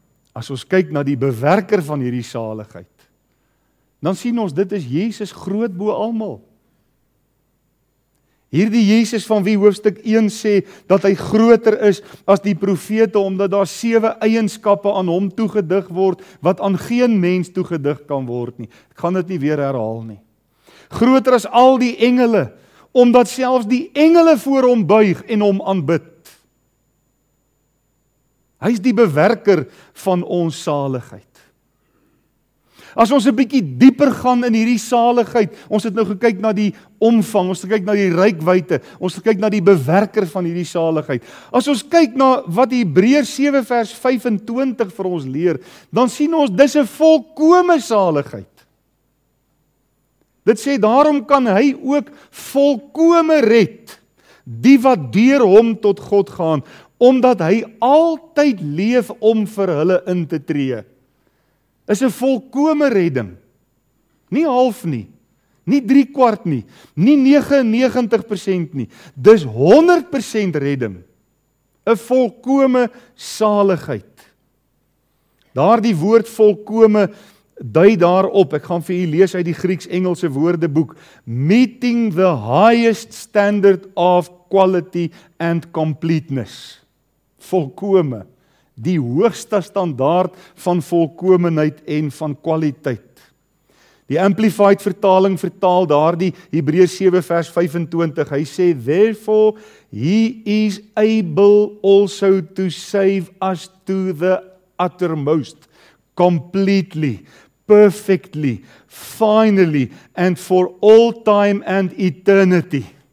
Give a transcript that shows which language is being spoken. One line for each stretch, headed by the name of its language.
Afrikaans: As ons kyk na die bewerker van hierdie saligheid, dan sien ons, dit is Jesus groot bo almal. Hierdie Jesus van wie hoofstuk 1 sê, dat hy groter is as die profete, omdat daar 7 eienskappe aan hom toegedig word, wat aan geen mens toegedig kan word nie. Ek gaan dit nie weer herhaal nie. Groter as al die engele, omdat selfs die engele voor hom buig en hom aanbid. Hy is die bewerker van ons saligheid. As ons 'n bietjie dieper gaan in hierdie saligheid, ons het nou gekyk na die omvang, ons het gekyk na die reikwydte, ons het gekyk na die bewerker van hierdie saligheid. As ons kyk na wat Hebreërs 7 vers 25 vir ons leer, dan sien ons dis 'n volkome saligheid. Dit sê daarom kan hy ook volkome red die wat deur hom tot God gaan, omdat hy altyd leef om vir hulle in te tree. Is 'n volkome redding. Nie half nie. Nie 3/4 nie. Nie 99% nie. Dis 100% redding. 'N volkome saligheid. Daardie woord volkome dui daarop. Ek gaan vir u lees uit die Grieks-Engelse woordeboek.
English: Meeting the highest standard of quality and completeness.
Afrikaans: Volkome. Die hoogste standaard van volkomenheid en van kwaliteit. Die Amplified vertaling vertaal daardie Hebreërs 7 vers 25. Hy sê,
English: therefore he is able also to save us to the uttermost, completely, perfectly, finally, and for all time and eternity.